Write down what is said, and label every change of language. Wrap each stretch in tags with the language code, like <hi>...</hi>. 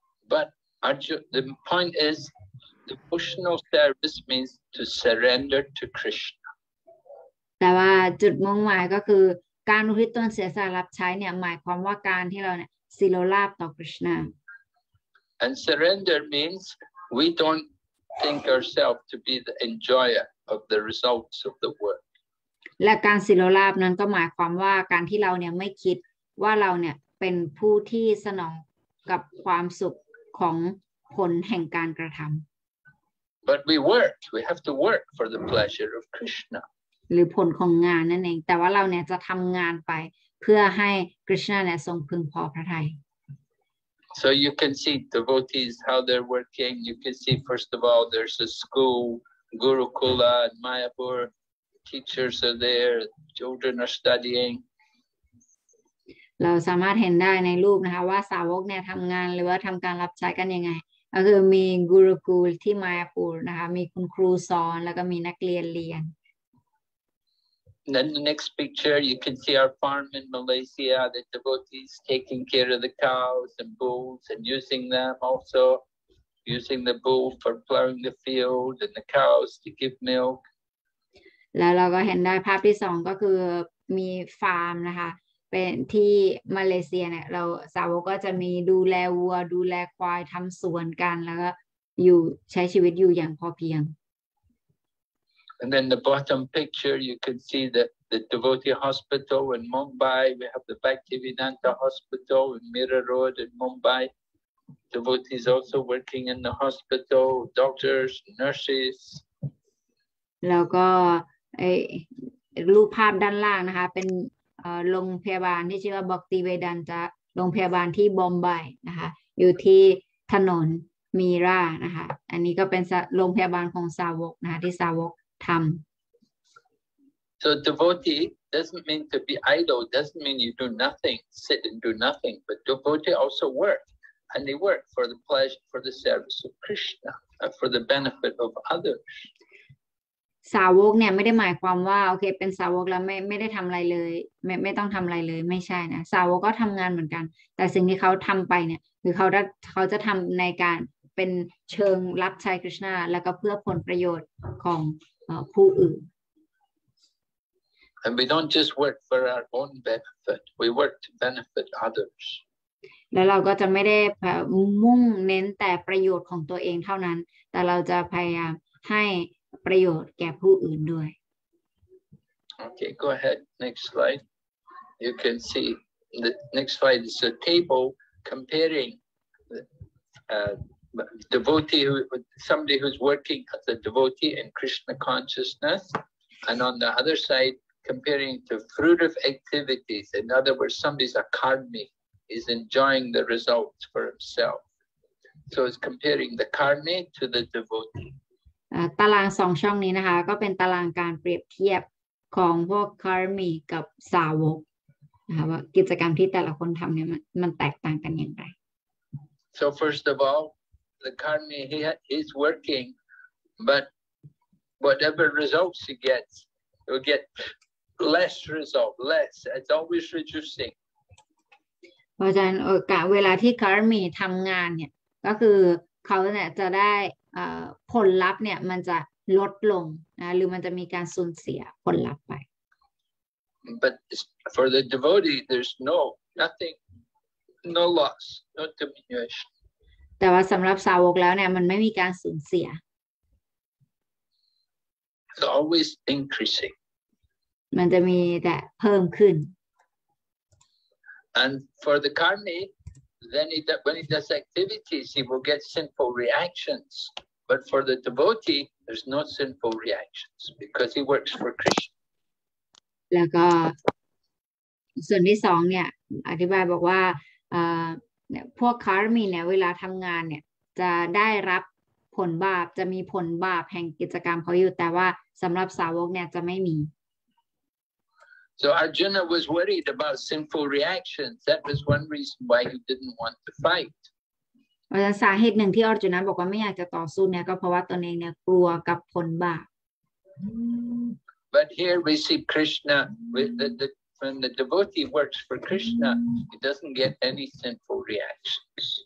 <en>ButThe point is, devotional service means to surrender to Krishna.</en> <th>แต่ว่าจุดมุ่งหมายก็คือการอุทิศตนเสียสละรับใช้เนี่ยหมายความว่าการที่เราเนี่ยสิโรราบต่อ Krishna.</th> <en>And surrender means we don't think ourselves to be the enjoyer of the results of the work.</en> <th>และการสิโรราบนั้นก็หมายความว่าการที่เราเนี่ยไม่คิดว่าเราเนี่ยเป็นผู้ที่สนองกับความสุขของผลแห่งการกระทำ</th> <en>But we work. We have to work for the pleasure of Krishna.</en> <th>หรือผลของงานนั่นเองแต่ว่าเราเนี่ยจะทำงานไปเพื่อให้ Krishna เนี่ยทรงพึงพอพระทัย</th> <en>So you can see devotees how they're working. You can see first of all there's a school, Gurukula, Mayapur. Teachers are there. Children are studying.</en> <th>เราสามารถเห็นได้ในรูปนะคะว่าสาวกเนี่ยทำงานหรือว่าทำการรับใช้กันยังไงก็คือมีกุรุกูลที่มายาปูรนะคะมีคุณครูสอนแล้วก็มีนักเรียนเรียน</th> <en>Then the next picture you can see our farm in Malaysia the devotees taking care of the cows and bulls and using them also using the bull for plowing the field and the cows to give milk</en> <th>แล้วเราก็เห็นได้ภาพที่สองก็คือมีฟาร์มนะคะเป็นที่มาเลเซียเนี่ยเราสาวกก็จะมีดูแลวัวดูแลควายทำสวนกันแล้วก็อยู่ใช้ชีวิตอยู่อย่างพอเพียง</th> <en>And then the bottom picture you can see the devotee hospital in Mumbai we have the Bhaktivedanta hospital in Mira Road in Mumbai devotees also working in the hospital doctors nurses</en> <th>แล้วก็ไอ้รูปภาพด้านล่างนะคะเป็นโรงพยาบาลที่ชื่อว่าบอกตีเวดันจะโรงพยาบาลที่บอมบายนะคะอยู่ที่ถนนมีรานะคะอันนี้ก็เป็นโรงพยาบาลของสาวกนะคะที่สาวกทำ</th> <en>So devotee doesn't mean to be idle, doesn't mean you do nothing, sit and do nothing, but devotees also work, and they work for the pleasure, for the service of Krishna, and for the benefit of others.</en> <th>สาวกเนี่ยไม่ได้หมายความว่าโอเคเป็นสาวกแล้วไม่ได้ทําอะไรเลยไม่ต้องทําอะไรเลยไม่ใช่นะสาวกก็ทํางานเหมือนกันแต่สิ่งที่เขาทําไปเนี่ยคือเขาจะทําในการเป็นเชิงรับใช้คริสต์นาแล้วก็เพื่อผลประโยชน์ของผู้อื่น</th> <en>And we don't just work for our own benefit we work to benefit others</en> <th>แล้วเราก็จะไม่ได้มุ่งเน้นแต่ประโยชน์ของตัวเองเท่านั้นแต่เราจะพยายามให้ประโยชน์แก่ผู้อื่นด้วย</th> <en>Okay go ahead next slide you can see the next slide is a table comparing devotee somebody who's working as a devotee in Krishna consciousness and on the other side comparing to fruitive activities in other words somebody's a karmi is enjoying the results for himself so it's comparing the karmi to the devotee</en> <th>ตาราง2ช่องนี้นะคะก็เป็นตารางการเปรียบเทียบของพวกคาร์มีกับสาวกนะคะว่ากิจกรรมที่แต่ละคนทำเนี่ยมันแตกต่างกันอย่างไร</th> <en>So first of all the karmi he is working but whatever results he gets he will get less result less it's always reducing</en> <th>เพราะฉะนั้นโอกาสเวลาที่คาร์มีทำงานเนี่ยก็คือเขาเนี่ยจะได้ผลลัพธ์เนี่ยมันจะลดลงนะหรือมันจะมีการสูญเสียผลลัพธ์ไป</th> <en>But for the devotee there's no nothing no loss no diminution</en> <th>แต่ว่าสำหรับสาวกแล้วเนี่ยมันไม่มีการสูญเสีย</th> <en>It's always increasing</en> <th>มันจะมีแต่เพิ่มขึ้น</th> <en>And for the karmi Then when he does activities, he will get sinful reactions. But for the devotee, there's no sinful reactions because he works for Krishna.</en> <th>แล้วก็ส่วนที่สองเนี่ยอธิบายบอกว่าพวกคาร์มีเนี่ยเวลาทำงานเนี่ยจะได้รับผลบาปจะมีผลบาปแห่งกิจกรรมเขาอยู่แต่ว่าสำหรับสาวกเนี่ยจะไม่มี</th> <en>So Arjuna was worried about sinful reactions. That was one reason why he didn't want to fight. The reason why Arjuna said he didn't want to fight is because he was afraid of the karma. But here we see Krishna, when the devotee works for Krishna, he doesn't get any sinful reactions.</en>